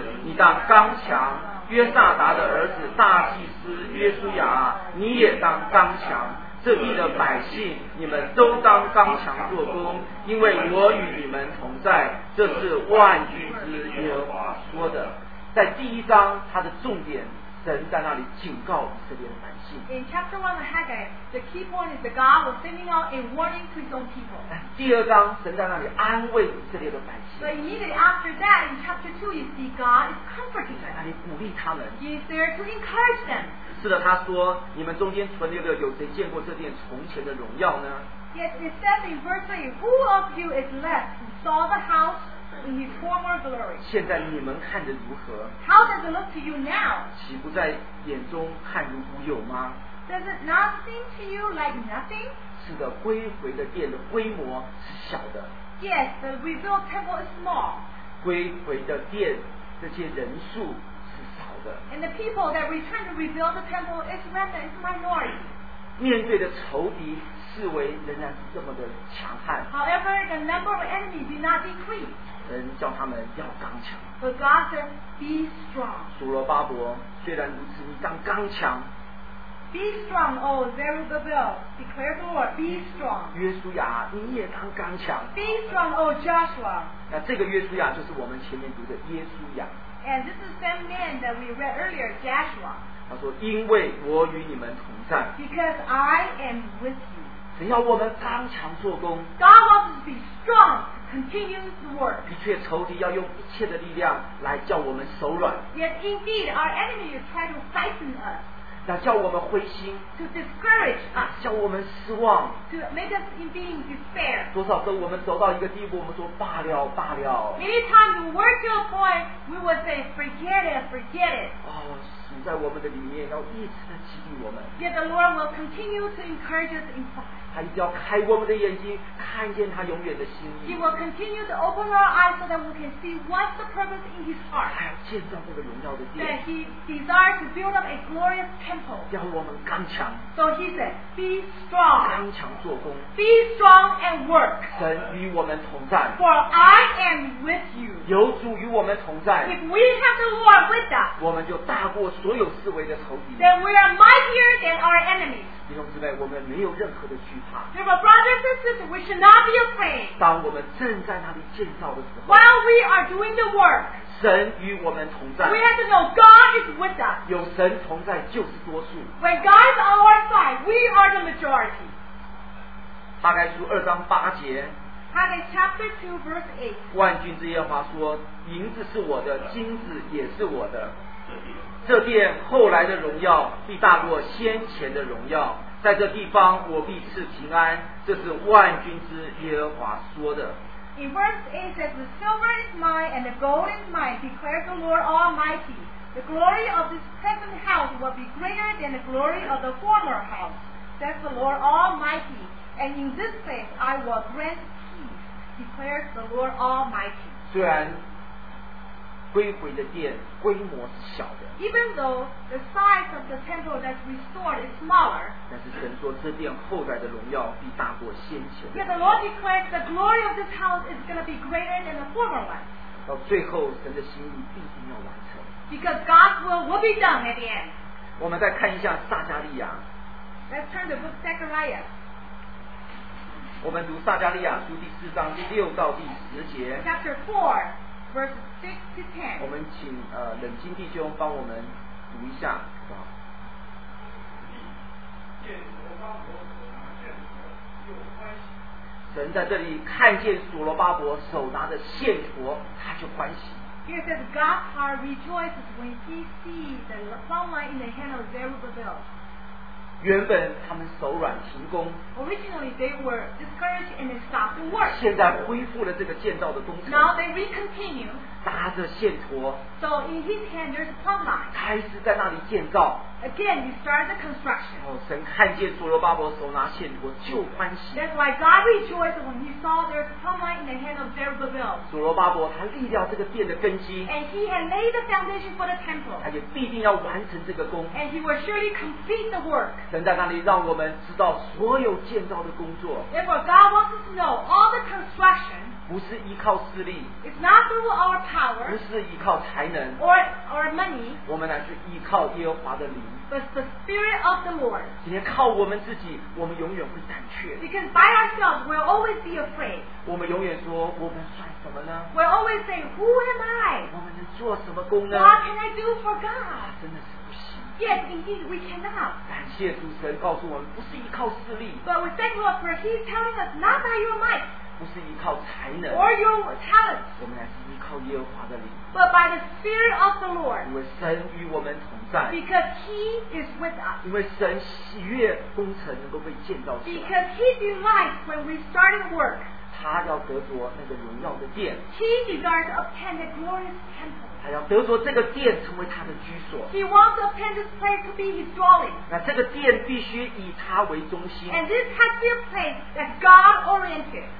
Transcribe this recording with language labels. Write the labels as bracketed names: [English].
[Chinese] 你当刚强约萨达的儿子大祭司约书亚你也当刚强这地的百姓你们都当刚强做工因为我与你们同在这是万军之耶和华说的在第一章它的重点神在那里警告以色列的百姓 [English] In chapter 1 of Haggai the key point is that God was sending out a warning to his own people [Chinese] 第二章神在那里安慰以色列的百姓 [English] But immediately after that in chapter 2 you see God is comforting them [Chinese] 在那里鼓励他们 [English] He is there to encourage them [Chinese] 是的他说你们中间存留的有谁见过这殿从前的荣耀呢 [English] Yet it says in verse 3, who of you is left who saw the house in his former glory? [Chinese] 现在你们看着如何? [English] How does it look to you now? [Chinese] 岂不在眼中看如无有吗? [English] Does it not seem to you like nothing? [Chinese] 是的，归回的殿的规模是小的。 [English] Yes, the rebuilt temple is small. [Chinese] 归回的殿这些人数是少的。 [English] And the people that return to rebuild the temple is rather a minority. [Chinese] 面对的仇敌视为仍然是这么的强悍。 [English] However, the number of enemies did not decrease. [Chinese] 神叫他们要刚强。 [English] But God said, be strong. [Chinese] 所罗巴伯，虽然如此，你当刚强。 [English] Be strong, O Zerubbabel, declare the Lord, be strong. [Chinese] 约书亚，你也当刚强。 [English] Be strong, O Joshua. [Chinese] 那这个约书亚就是我们前面读的耶稣亚。 [English] And this is the same man that we read earlier, Joshua. [Chinese] 他说，因为我与你们同在。 [English] Because I am with you. [Chinese] 只要我们刚强做工。 [English] God wants us to be strong, continue the work. [Chinese] 的确，仇敌要用一切的力量来叫我们手软。 [English] Yet indeed, our enemy is trying to frighten us. [Chinese] 那叫我们灰心 [English] to discourage, [Chinese] 啊，叫我们失望 [English] to make us in being despair. [Chinese] 多少次我们走到一个地步，我们说罢了，罢了。 [English] Many times we work to a point, we would say, forget it, forget it. [Chinese] 哦，主在我们的里面要一直的激励我们。 [English] Yet the Lord will continue to encourage us inside. [Chinese] 他一定要开我们的眼睛，看见他永远的心意。 [English] He will continue to open our eyes so that we can see what's the purpose in His heart. [Chinese] 他要建造这个荣耀的殿。 [English] That He desires to build up a glorious temple. [Chinese] 要我们刚强。 [English] So He said, "Be strong." [Chinese] 刚强做工。 [English] Be strong and work. [Chinese] 神与我们同在。 [English] For I am with you. [Chinese] 有主与我们同在。 [English] If we have the Lord with us, [Chinese] 我们就大过所有四围的仇敌。 [English] Then we are mightier than our enemies. [Chinese] 弟兄姊妹，我们没有任何的惧怕。 [English] Dear brothers and sisters, we should not be afraid. [Chinese] 当我们正在那里建造的时候 [English] ，While we are doing the work, [Chinese] 神与我们同在。 [English] We have to know God is with us. [Chinese] 有神同在就是多数。 [English] When God is on our side, we are the majority. [Chinese] 哈该书二章八节。 [English] Haggai chapter 2 verse 8. [Chinese] 万军之耶和华说：“银子是我的，金子也是我的。” 这殿后来的荣耀必大过先前的荣耀，在这地方我必赐平安，这是万军之耶和华说的。 [English] In verse 8 says, the silver is mine and the gold is mine, declares the Lord Almighty. The glory of this present house will be greater than the glory of the former house, says the Lord Almighty. And in this place I will grant peace, declares the Lord Almighty. [Chinese] 虽然归回的殿规模是小的。 [English] Even though the size of the temple that's restored is smaller, [Chinese] 但是神说这殿后代的荣耀必大过先前。 [English] Yet the Lord declares the glory of this house is going to be greater than the former one. [Chinese] 到最后，神的心意必定要完成。 [English] Because God's will be done at the end. [Chinese] 我们再看一下撒迦利亚。 [English] Let's turn to book Zechariah. [Chinese] 我们读撒迦利亚书第四章第六到第十节。 [English] Chapter 4. Verse 6 to 10. [Chinese] 我们请冷静弟兄帮我们读一下，好不好？神在这里看见所罗巴伯手拿着线砣，他就欢喜。 [English] Here says God's heart rejoices when he sees the long line in the hand of Zerubbabel. [Chinese] 原本他们手软停工。 [English] Originally they were discouraged and they stopped the work. [Chinese] 现在恢复了这个建造的工程。 [English] Now they recontinue. [Chinese] 拿着线砣。 [English] So in his hand there's a plumb line. [Chinese] 开始在那里建造。 [English] Again he started the construction. [Chinese] 哦，神看见所罗巴伯手拿线砣就欢喜。 [English] That's why God rejoiced when he saw there's a plumb line in the hand of Zerubbabel. [Chinese] 所罗巴伯他立了这个殿的根基。 [English] And he had laid the foundation for the temple. [Chinese] 他也必定要完成这个工。 [English] And he will surely complete the work. [Chinese] 神在那里让我们知道所有建造的工作。 [English] Therefore, God wants us to know all the construction. [Chinese] 不是依靠势力。 [English] It's not through our power. [Chinese] 不是依靠才能。 [English] Or money. [Chinese] 我们乃是依靠耶和华的灵。 [English] But the Spirit of the Lord. [Chinese] 今天靠我们自己，我们永远会胆怯。 [English] Because by ourselves, we'll always be afraid. [Chinese] 我们永远说，我们算什么呢？ [English] We'll always say, "Who am I?" [Chinese] 我们能做什么工呢？ [English] What can I do for God? [Chinese] 真的是。 [English] Yes, indeed, we cannot. [Chinese] 感谢主神告诉我们，不是依靠势力。 [English] But we thank God for He's telling us not by your might. [Chinese] 不是依靠才能 [English] or your talents, [Chinese] 我们乃是依靠耶和华的灵 [English] but by the Spirit of the Lord, [Chinese] 因为神与我们同在 [English] because He is with us, [Chinese] 因为神喜悦工程能够被建造起来 [English] because He delights when we started work, [Chinese] 他要得着那个荣耀的殿 [English] He desires to obtain the glorious temple, [Chinese] 他要得着这个殿成为他的居所。 [English] He wants to obtain this place to be his dwelling. [Chinese] 那这个殿必须以他为中心。 [English] And this has to be a place that God oriented.